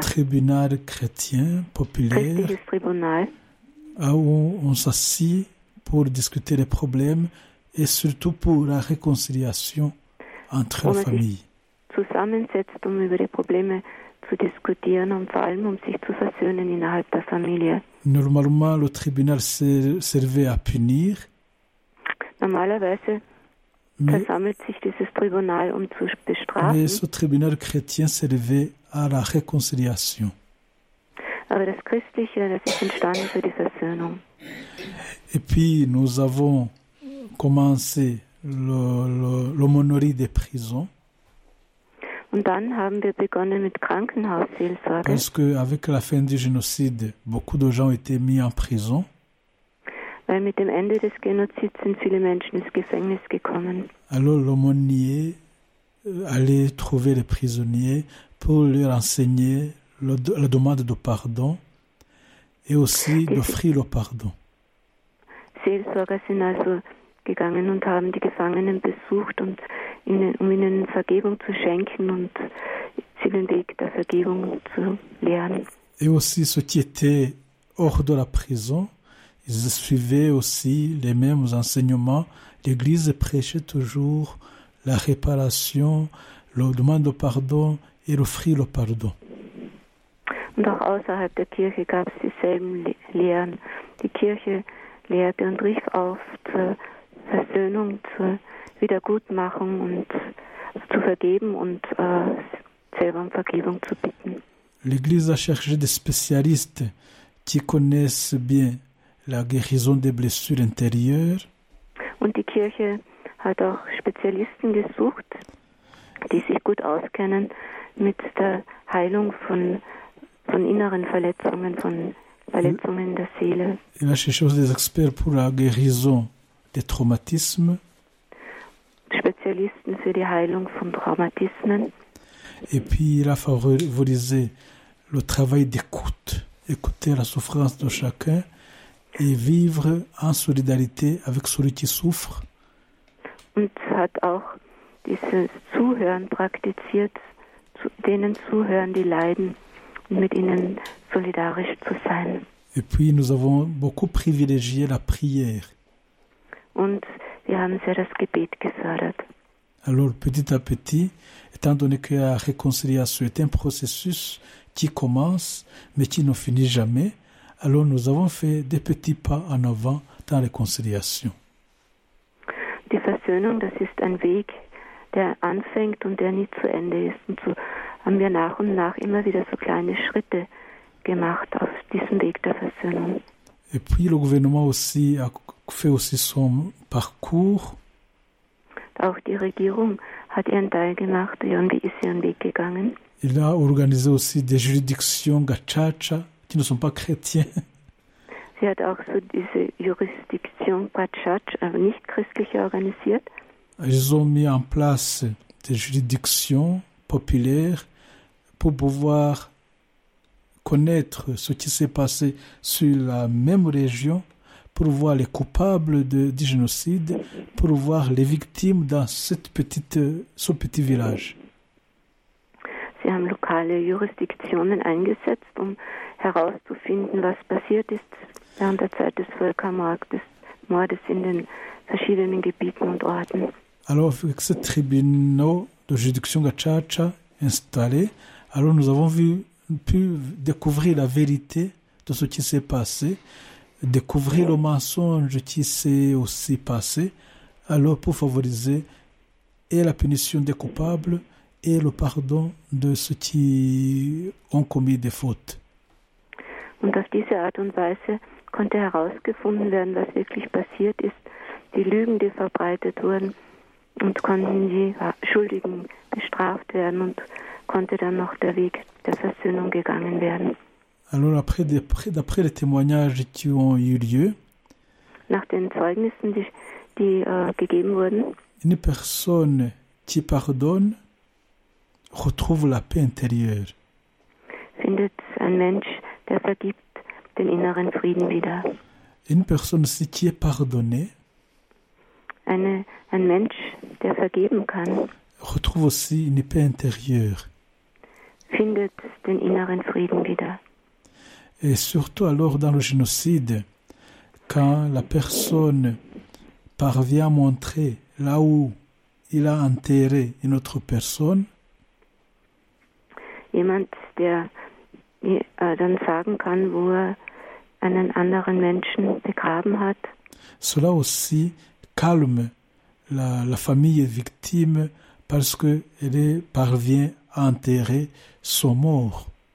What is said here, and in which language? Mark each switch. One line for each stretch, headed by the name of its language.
French: Tribunal chrétien populaire.
German: Christliches Tribunal.
French: Où on s'assied pour discuter les problèmes et surtout pour la réconciliation entre les familles.
German: Zusammensetzt, um über die Probleme zu diskutieren und vor allem um sich zu versöhnen innerhalb der Familie.
French: Normalement, le tribunal servait à punir.
German: Normalerweise versammelt sich dieses Tribunal, um zu bestrafen.
French: Mais ce tribunal chrétien servait à la réconciliation.
German: Aber das Christliche, das ist entstanden für die Versöhnung.
French: Et puis, nous avons commencé l'aumônerie des prisons.
German: Und dann haben wir begonnen mit Krankenhausseelsorge.
French: Parce que avec la fin du génocide, beaucoup de gens étaient mis en prison.
German: Weil mit dem Ende des Genozids sind viele Menschen ins Gefängnis gekommen.
French: Alors l'aumônier allait trouver les prisonniers pour leur enseigner la demande de pardon et aussi d'offrir le pardon.
German: Seelsorger sind also gegangen und haben die Gefangenen besucht und um ihnen Vergebung zu schenken und sie den Weg der Vergebung zu lehren.
French: Et aussi ceux qui étaient hors de la prison, ils suivaient aussi les mêmes enseignements. L'Église prêchait toujours la réparation, la demande de pardon et offrir le pardon.
German: Und auch außerhalb der Kirche gab es dieselben Lehren. Die Kirche lehrte und rief auf zur Versöhnung, zur Wiedergutmachung und zu vergeben und selber um Vergebung zu bitten.
French: L'Église a cherché des spécialistes qui connaissent bien la guérison des blessures intérieures.
German: Und die Kirche hat auch Spezialisten gesucht, die sich gut auskennen mit der Heilung von inneren Verletzungen, von Verletzungen der Seele.
French: Il a cherché aussi des experts pour la guérison des traumatismes.
German: Spezialisten für die Heilung von Traumatismen.
French: Et puis il a favorisé le travail d'écoute, écouter la souffrance de chacun et vivre en solidarité avec celui qui souffre.
German: Und hat auch dieses Zuhören praktiziert, zu denen zuhören, die leiden, und mit ihnen solidarisch zu sein.
French: Et puis nous avons beaucoup privilégié la prière.
German: Und wir haben sehr das Gebet gefördert.
French: Alors petit à petit, étant donné que la réconciliation est un processus qui commence, mais qui ne finit jamais, alors nous avons fait des petits pas en avant dans la réconciliation.
German: Die Versöhnung, das ist ein Weg, der anfängt und der nie zu Ende ist. Und so haben wir nach und nach immer wieder so kleine Schritte gemacht auf diesem Weg der Versöhnung.
French: Et puis le gouvernement aussi a fait aussi son parcours.
German: Auch die Regierung hat ihren Teil gemacht, und wie ist ihren Weg gegangen?
French: Il a organisé aussi des juridictions gachacha qui ne sont pas chrétiens.
German: Sie hat auch so diese Jurisdiction gachacha, also nicht christliche, organisiert.
French: Ils ont mis en place des juridictions populaires pour pouvoir connaître ce qui s'est passé sur la même région, pour voir les coupables du génocide, pour voir les victimes dans ce petit village.
German: Sie haben lokale Jurisdiktionen eingesetzt, um herauszufinden, was passiert ist während der Zeit des Völkermordes, des Mordes in den verschiedenen Gebieten und Orten.
French: Alors, avec ce tribunal de juridiction gachacha installé, alors nous avons pu découvrir la vérité de ce qui s'est passé, découvrir le mensonge qui s'est aussi passé, alors pour favoriser et la punition des coupables et le pardon de ceux qui ont commis des fautes.
German: Und auf diese Art und Weise konnte herausgefunden werden, was wirklich passiert ist, die Lügen, die verbreitet wurden, und konnten die Schuldigen bestraft werden und konnte dann noch der Weg der Versöhnung gegangen werden.
French: Alors après d'après les témoignages qui ont eu lieu,
German: nach den Zeugnissen, die gegeben wurden,
French: une personne qui pardonne retrouve la paix intérieure.
German: Findet ein Mensch, der vergibt, den inneren Frieden wieder.
French: Une personne aussi qui est pardonnée,
German: ein Mensch, der vergeben kann,
French: retrouve aussi une paix intérieure.
German: Findet den inneren Frieden wieder.
French: Et surtout alors dans le génocide, quand la personne parvient à montrer là où il a enterré une autre personne,
German: jemand, der dann sagen kann, wo einen anderen Menschen begraben hat,
French: cela aussi calme la famille victime parce qu'elle parvient à enterrer son mort.